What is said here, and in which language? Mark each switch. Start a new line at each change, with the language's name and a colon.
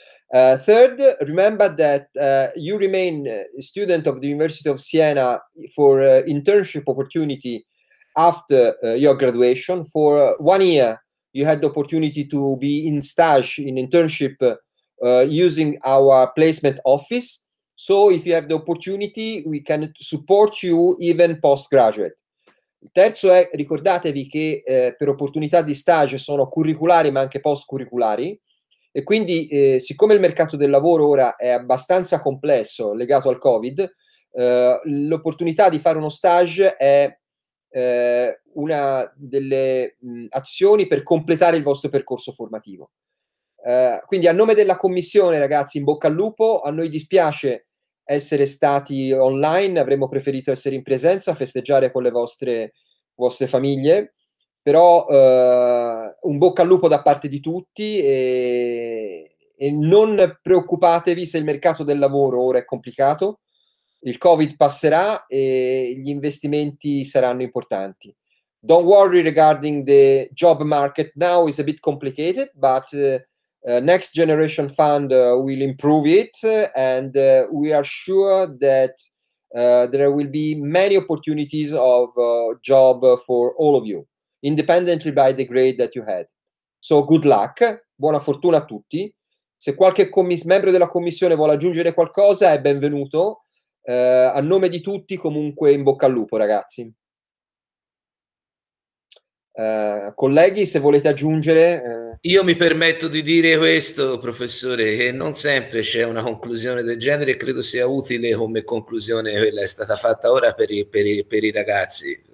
English: Third, remember that you remain a student of the University of Siena for internship opportunity after your graduation. For 1 year, you had the opportunity to be in stage, in internship using our placement office. So if you have the opportunity, we can support you even postgraduate.
Italian: Il terzo è, ricordatevi che per opportunità di stage sono curriculari ma anche post-curriculari, e quindi siccome il mercato del lavoro ora è abbastanza complesso legato al Covid, l'opportunità di fare uno stage è una delle azioni per completare il vostro percorso formativo. Quindi a nome della commissione, ragazzi, in bocca al lupo. A noi dispiace essere stati online, avremmo preferito essere in presenza a festeggiare con le vostre famiglie, però un bocca al lupo da parte di tutti, e non preoccupatevi se il mercato del lavoro ora è complicato. Il Covid passerà e gli investimenti saranno importanti.
English: Don't worry regarding the job market now, it's a bit complicated, but Next Generation Fund will improve it, and we are sure that there will be many opportunities of job for all of you, independently by the grade that you had. So good luck,
Italian: buona fortuna a tutti. Se qualche membro della commissione vuole aggiungere qualcosa, è benvenuto. A nome di tutti, comunque, in bocca al lupo, ragazzi. Colleghi, se volete aggiungere... Io mi permetto di dire questo, professore, che non sempre c'è una conclusione del genere, e credo sia utile come conclusione quella è stata fatta ora per i ragazzi.